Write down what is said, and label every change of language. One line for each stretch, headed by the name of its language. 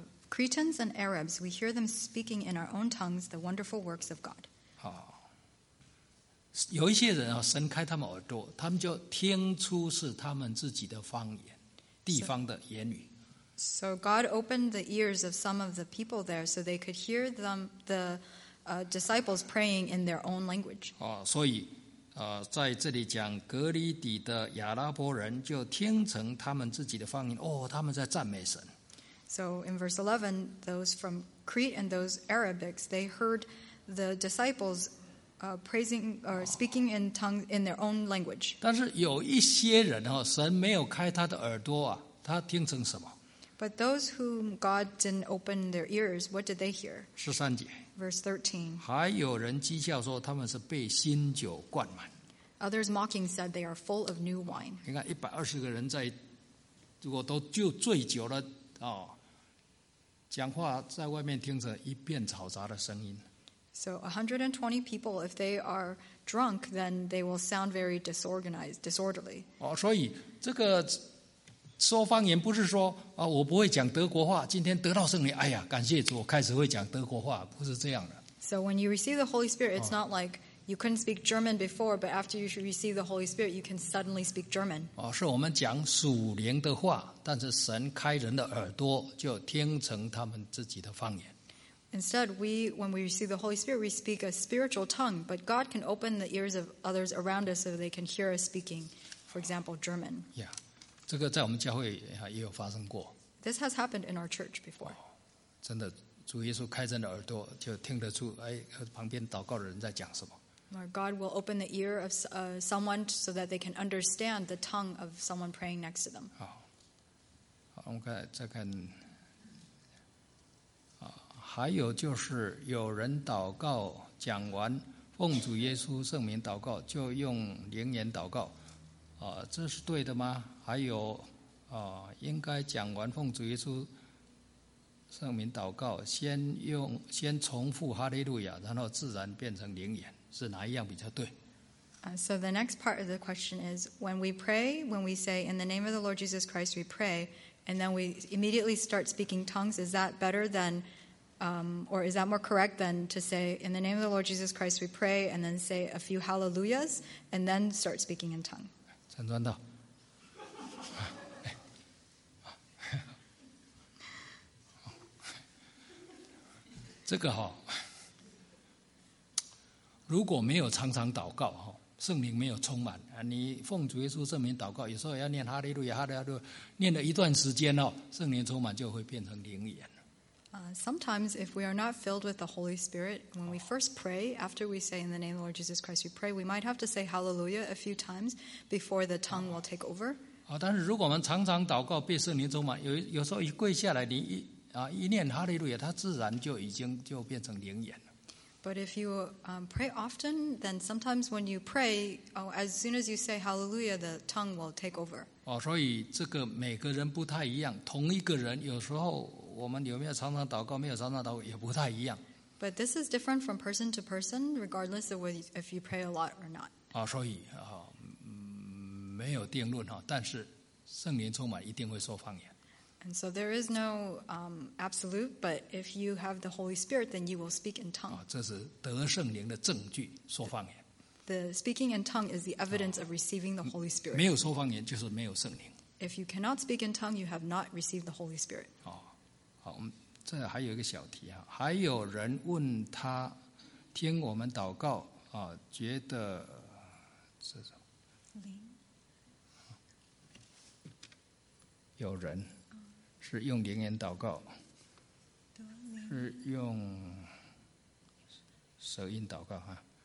English: Cretans and Arabs, we hear them speaking in our own tongues the wonderful works of God.
Chinese: 有一些人神开他们耳朵，他们就听出是他们自己的方言，地方的言语。
English: So God opened the ears of some of the people there so they could hear them, the disciples praying in their own language.
Chinese: 所以在这里讲格里底的亚拉伯人就听成他们自己的方言，他们在赞美神。
English: So in verse 11, those from Crete and those Arabics, they heard the disciples praising or speaking in tongues in their own language.
Chinese: 但是有一些人神没有开他的耳朵他听成什么？
English: But those whom God didn't open their ears, what did they hear?
Chinese: 十三节
English: Verse 13.
Chinese: 还有人讥笑说他们是被新酒灌满。
English: Others mocking said they are full of new wine.
Chinese: 你看120个人在，如果都就醉酒了，讲话在外面听着一片吵杂的声音。
English: So 120 people, if they are drunk, then they will sound very disorganized, disorderly.
Chinese: 所以这个说方言不是说我不会讲德国话，今天得到圣灵，感谢主，我开始会讲德国话，不是这样的。
English: So when you receive the Holy Spirit, it's not like you couldn't speak German before, but after you receive the Holy Spirit, you can suddenly speak German.
Chinese: 是我们讲属灵的话，但是神开人的耳朵，就听成他们自己的方言。
English: Instead, when we receive the Holy Spirit, we speak a spiritual tongue, but God can open the ears of others around us so they can hear us speaking, for example, German. Yeah.
Chinese: 这个在我们教会也有发生过。
English: This has happened in our church before.
Chinese: 真的，主耶稣开着的耳朵就听得出，旁边祷告的人在讲什么。
English: Lord God will open the ear of someone so that they can understand the tongue of someone praying next to them.
Chinese: 好，我们看再看，还有就是有人祷告讲完，奉主耶稣圣名祷告，就用灵言祷告。这是对的吗？还有，应该讲完奉主耶稣圣名祷告，先重复哈利路亚，然后自然变成灵言，是哪一样比较对？
English: So the next part of the question is, when we pray, when we say in the name of the Lord Jesus Christ, we pray, and then we immediately start speaking tongues. Is that better than, or is that more correct than to say in the name of the Lord Jesus Christ, we pray, and then say a few hallelujahs, and then start speaking in tongues?
Chinese: 陈传道，这个如果没有常常祷告，圣灵没有充满，你奉主耶稣圣名祷告，有时候要念哈利路亚，哈利路亚，念了一段时间，圣灵充满就会变成灵言。
English: Sometimes if we are not filled with the Holy Spirit, when we first pray, after we say in the name of the Lord Jesus Christ, we pray, we might have to say hallelujah a few times before the tongue will take over.
Chinese: 但是如果我们常常祷告被圣灵充满，有时候一跪下来，你一念哈利路亚，它自然就已经就变成灵言了。
English: But if you pray often, then sometimes when you pray, as soon as you say hallelujah, the tongue will take over.
Chinese: 所以这个每个人不太一样，同一个人有时候我们有没有常常祷告，没有常常祷告也不太一样。
English: But this is different from person to person, regardless of if you pray a lot or not.
Chinese: 所以没有定论，但是圣灵充满一定会说方言。
English: And so there is no absolute, but if you have the Holy Spirit, then you will speak in tongues.
Chinese: 这是得圣灵的证据，说方言。
English: The speaking in tongues is the evidence of receiving the Holy Spirit.
Chinese: 没有说方言就是没有圣灵。
English: If you cannot speak in tongues, you have not received the Holy Spirit.
Chinese: 好，这还有一个小题啊，还有人问他听我们祷告啊，觉得这种灵有人。是用灵言祷告，是用舌音祷告哈。